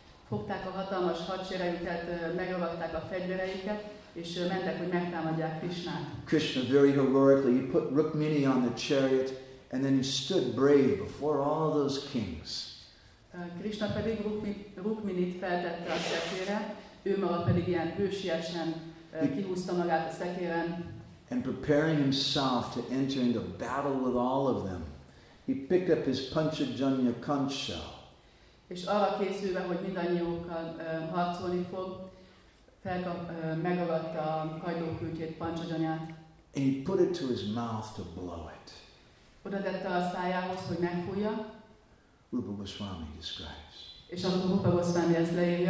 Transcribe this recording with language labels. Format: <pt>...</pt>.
<hu>Fogták a hatalmas hadseregüket, megragadták a fegyvereiket, és mentek, hogy megtámadják Krishnát.</hu> <en>Krishna very heroically he put Rukmini on the chariot, and then he stood brave before all those kings.</en> <hu>Krishna pedig Rukminit feltette a szekére, ő maga pedig ilyen hősiesen kihúzta magát a szekéren.</hu> <en>And preparing himself to enter into battle with all of them, he picked up his Panchajanya conch shell.</en> <hu>És arra készülve, hogy mindannyiukkal harcolni fog, megragadta a kajdókürtjét, pancsajanyát.</hu> <en>And he put it to his mouth to blow it.</en> <hu>Oda tette a szájához, hogy megfújja.</hu> <en>Rupa Goswami describes.</en> <hu>És akkor Rupa Goswami ezt leírja.</hu>